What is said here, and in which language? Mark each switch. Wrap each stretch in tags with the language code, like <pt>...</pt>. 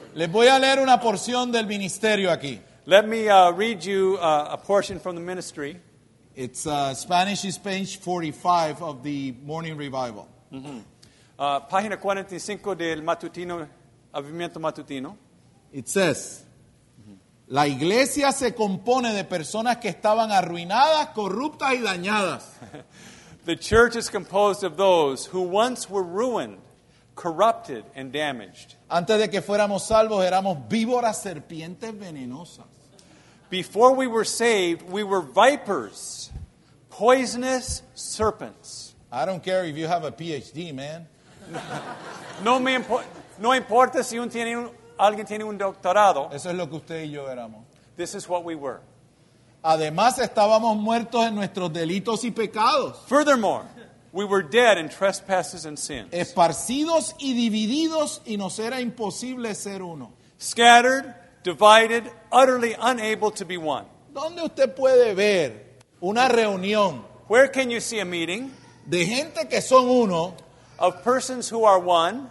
<es>Les voy a leer una porción del ministerio aquí.</es> <en>Let me read you a portion from the ministry. It's Spanish is page 45 of the Morning Revival.</en> <es>Mm-hmm. Página 45 del matutino, Avivamiento Matutino.</es> <en>It says,</en> <es>la iglesia se compone de personas que estaban arruinadas, corruptas y dañadas.</es> <en>The church is composed of those who once were ruined, corrupted and damaged.</en> <es>Antes de que fuéramos salvos, éramos víboras, serpientes venenosas.</es> <en>Before we were saved, we were vipers, poisonous serpents. I don't care if you have a PhD, man.</en> <es>No importa si alguien tiene un doctorado. Eso es lo que usted y yo éramos.</es> <en>This is what we were.</en> <es>Además, estábamos muertos en nuestros delitos y pecados.</es> <en>Furthermore, we were dead in trespasses and sins.</en> <es>Esparcidos y divididos, y nos era imposible ser uno.</es> <en>Scattered, divided, utterly unable to be one.</en> <es>¿Dónde usted puede ver una reunión?</es> <en>Where can you see a meeting?</en> <es>De gente que son uno.</es> <en>Of persons who are one.</en>